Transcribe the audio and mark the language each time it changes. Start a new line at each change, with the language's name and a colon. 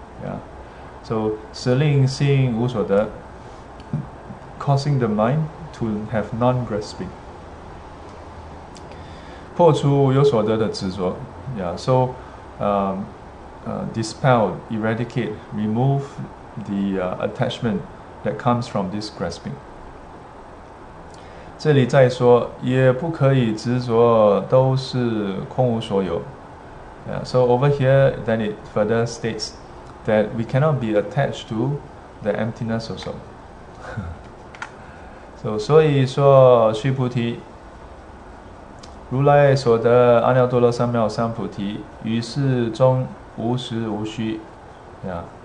English: Yeah, so
Chinese: 使令心无所得,
English: causing the mind to have non-grasping.
Chinese: 破除有所得的执着,
English: yeah, so dispel, eradicate, remove the attachment that comes from this grasping.
Chinese: 这里再说, 也不可以执着都是空无所有.
English: Yeah, so over here, then it further states that we cannot be attached to the emptiness also.
Chinese: So, 所以说须菩提, 如来所得阿耨多罗三藐三菩提, 于是中无实无虚.Yeah.